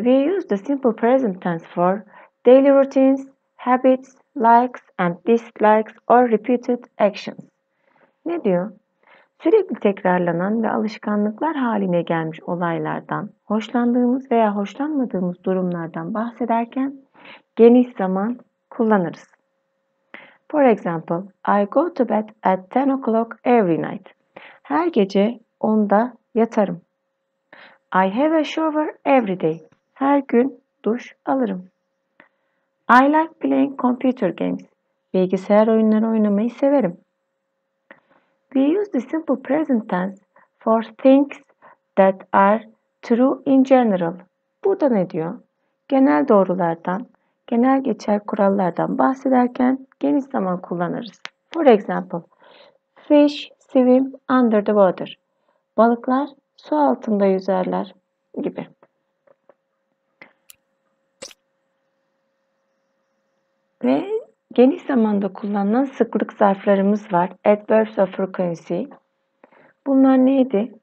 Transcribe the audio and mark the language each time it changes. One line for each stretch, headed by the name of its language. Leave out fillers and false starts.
English: We use the simple present tense for daily routines, habits, likes and dislikes or repeated actions.
Turkish: Ne diyor? Sürekli tekrarlanan ve alışkanlıklar haline gelmiş olaylardan, hoşlandığımız veya hoşlanmadığımız durumlardan bahsederken geniş zaman kullanırız.
English: For example, I go to bed at 10 o'clock every night.
Turkish: Her gece 10'da yatarım.
English: I have a shower every day.
Turkish: Her gün duş alırım.
English: I like playing computer games.
Turkish: Bilgisayar oyunları oynamayı severim.
English: We use the simple present tense for things that are true in general.
Turkish: Burada ne diyor? Genel doğrulardan, genel geçer kurallardan bahsederken geniş zaman kullanırız.
English: For example, fish swim under the water.
Turkish: Balıklar su altında yüzerler gibi. Ve geniş zamanda kullanılan sıklık zarflarımız var.
English: Adverbs of frequency.
Turkish: Bunlar neydi?